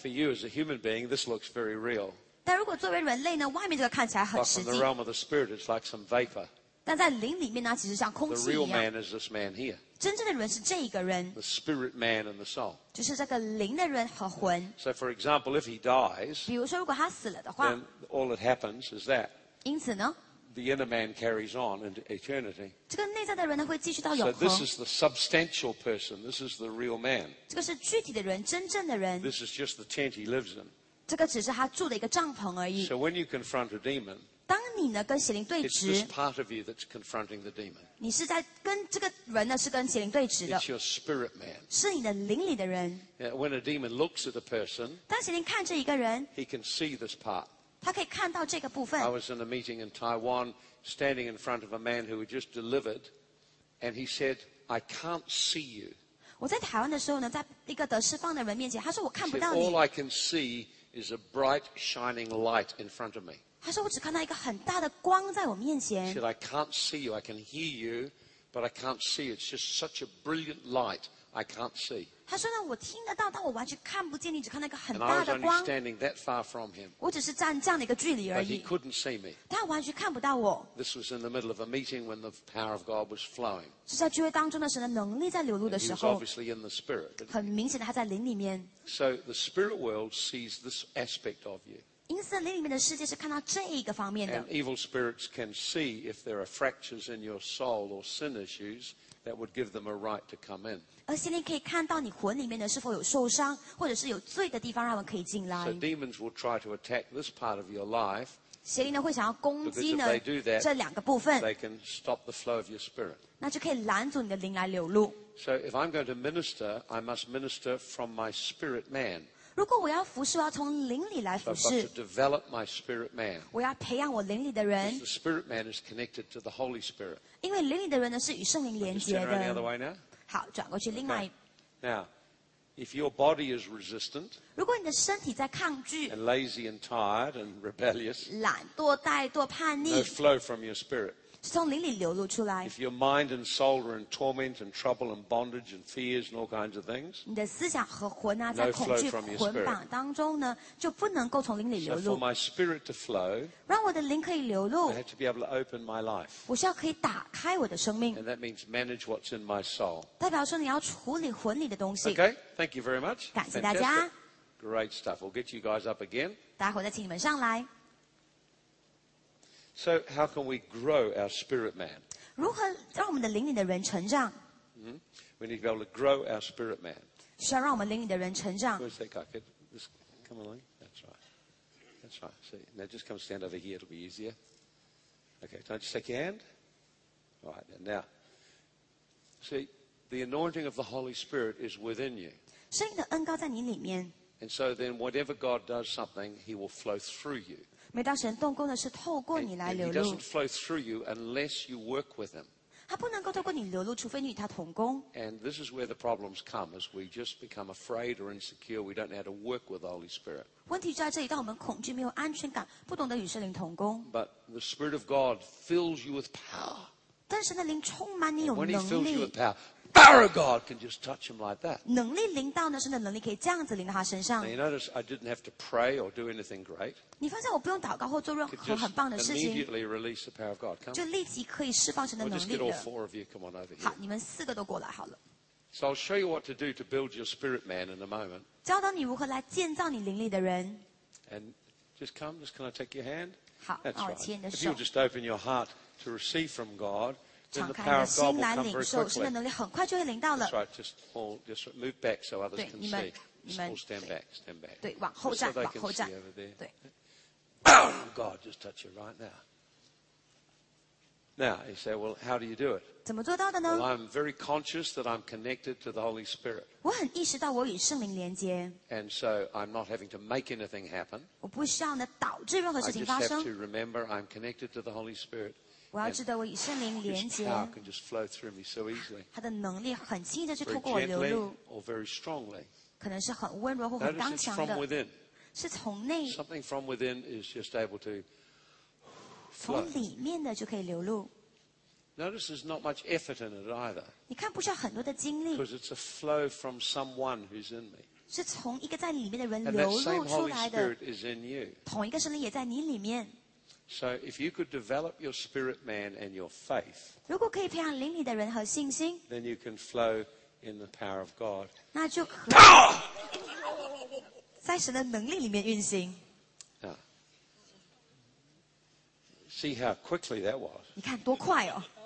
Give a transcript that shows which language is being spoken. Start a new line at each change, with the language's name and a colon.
English: For you as a human being, this looks very real.
Chinese: 但如果作为人类呢, 外面这个看起来很实际。
English: But from the realm of the spirit, it's like some vapor.
Chinese: 但在灵里面呢, 其实像空气一样。
English: The real man is this man here.
Chinese: 真正的人是这一个人,
English: the spirit man and the soul.
Chinese: 就是这个灵的人和魂。
English: So for example, if he dies,
Chinese: 比如说如果他死了的话,
English: then all that happens is that
Chinese: 因此呢,
English: the inner man carries on into eternity.
Chinese: 这个内在的人呢,
English: so this is the substantial person. This is the real man.
Chinese: 这个是具体的人,
English: this is just the tent he lives in.
Chinese: 这个只是他住的一个帐篷而已。
English: So when you confront a demon,
Chinese: 当你呢跟邪灵对峙,
English: it's this part of you that's confronting the demon.
Chinese: 你是在跟这个人呢是跟邪灵对峙的。
English: It's your spirit man.
Chinese: 是你的灵里的人。
English: Yeah, when a demon looks at a person,
Chinese: 当邪灵看着一个人,
English: he can see this part.
Chinese: 他可以看到这个部分。
English: I was in a meeting in Taiwan, standing in front of a man who had just delivered, and he said, I can't see you.
Chinese: 我在台湾的时候呢, 在一个得释放的人面前, 他说我看不到你。
English: All I can see is a bright shining light in front of me.
Chinese: 他说我只看到一个很大的光在我面前。
English: He said, I can't see you, I can hear you, but I can't see you. It's just such a brilliant light, I can't see.
Chinese: 他说呢, 我听得到, 但我完全看不见你, 只看到一个很大的光。
English: And I was only standing that far from him.
Chinese: 我只是站这样的一个距离而已。
English: But he couldn't see me.
Chinese: 但他完全看不到我。
English: This was in the middle of a meeting when the power of God was flowing.
Chinese: 是在聚会当中的, 神的能力在流露的时候。
English: And he was obviously in the spirit.
Chinese: 很明显的他在灵里面。
English: So the spirit world sees this aspect of you.
Chinese: 因此灵里面的世界是看到这一个方面的。
English: And evil spirits can see if there are fractures in your soul or sin issues that would give them a right to come in.
Chinese: 而邪灵可以看到你魂里面的是否有受伤，或者是有罪的地方，让我们可以进来。
English: So demons will try to attack this part of your life
Chinese: 邪灵呢会想要攻击呢
English: that,
Chinese: 这两个部分
English: they can stop the flow of your spirit.
Chinese: 那就可以拦阻你的灵来流露
English: So if I'm going to minister, I must minister from my spirit man.
Chinese: 如果我要服侍我要从灵里来服侍
English: So I've got to develop my spirit man.
Chinese: 我要培养我灵里的人
English: Because the spirit man is connected to the Holy Spirit.
Chinese: 因为灵里的人呢是与圣灵连接的
English: Let's turn around the other way now.
Chinese: 好转过去另外、
English: okay. Now,If your body is resistant,
Chinese: 如果你的身体在抗拒
English: and lazy and tired and rebellious,
Chinese: 懒惰怠惰叛逆
English: no flow from your spirit,
Chinese: 是从灵里流露出来
English: if your mind and soul are in torment and trouble and bondage and fears and all kinds of things,
Chinese: 你的思想和魂啊在恐惧捆绑当中呢就不能够从灵里流露
English: so for my spirit to flow,
Chinese: 让我的灵可以流露
English: I have to be able to open my life,
Chinese: 我需要可以打开我的生命
English: and that means manage what's in my soul,
Chinese: 代表说你要处理魂里的东西
English: okay? Thank you very much.
Chinese: 感谢大家。
English: Great stuff. We'll get you guys up again.
Chinese: 待会再请你们上来。
English: So how can we grow our spirit man?
Chinese: 如何让我们的灵里的人成长？
English: We need to be able to grow our spirit man.
Chinese: 需要让我们灵里的人成长。
English: Where's that guy? Get this, come along. That's right. That's right. See, now just come stand over here. It'll be easier. Okay, don't you take your hand? All right, now. See, the anointing of the Holy Spirit is within you.
Chinese: 圣灵的恩膏在你里面。
English: And so then, whatever God does something, He will flow through you.
Chinese: 每当神动工的是透过你来流露。
English: And He doesn't flow through you unless you work with Him.
Chinese: 他不能够透过你流露，除非你与他同工。
English: And this is where the problems come, as we just become afraid or insecure. We don't know how to work with the Holy Spirit.
Chinese: 问题就在这里，当我们恐惧、没有安全感、不懂得与圣灵同工。
English: But the Spirit of God fills you with power.
Chinese: 但神的灵充满你有能力。
English: And when He fills you with power. Power of God can just touch him like that.
Chinese: 能力临到呢，神的能力可以这样子临到他身上。
English: Now you notice I didn't have to pray or do anything great.
Chinese: 你发现我不用祷告或做任何很棒的事情。
English: Just immediately release the power of God. Come.
Chinese: 就立即可以释放神的能力的。
English: We'll just get all four of you come on over here.
Chinese: 好，你们四个都过来好了。
English: So I'll show you what to do to build your spirit man in a moment.
Chinese: 教导你如何来建造你灵力的人。
English: And just come, just can I take your hand?
Chinese: 好，那我牵你的手。
English: If you'll just open your heart to receive from God.
Chinese: 敞开你的心来领受，神的能力很快就会临到了。
English: That's right, just move back so others can see.
Chinese: 你们
English: stand back.
Chinese: 对，往后站，往后站。对。
English: God, just touch it right now. Now, you say, well, how do you do it?
Chinese: 怎么做到的呢
English: ？Well, I'm very conscious that I'm connected to the Holy Spirit.
Chinese: 我很意识到我与圣灵连接。
English: And so I'm not having to make anything happen.
Chinese: 我不需要呢导致任何事情发生。
English: I just have to remember I'm connected to the Holy Spirit.
Chinese: 我要知道我与圣灵连接
English: His power can just flow through me so easily.
Chinese: 他的能力很轻易的就透过我流露
English: or very strongly.
Chinese: 可能是很温柔或很刚强的
English: Notice it's from within.
Chinese: 是从内
English: Something from within is just able to flow.
Chinese: 从里面的就可以流露
English: Notice there's not much effort in it either.
Chinese: 你看不需要很多的精力
English: Because it's a flow from someone who's in me.
Chinese: 是从一个在里面的人流露出来的
English: And that same Holy Spirit is in you.
Chinese: 同一个圣灵也在你里面
English: So if you could develop your spirit man and your faith,
Chinese: 如果可以培养灵里的人和信心
English: then you can flow in the power of God.
Chinese: 那就可以在神的能力里面运行。
English: See how quickly that was.
Chinese: 你看多快哦。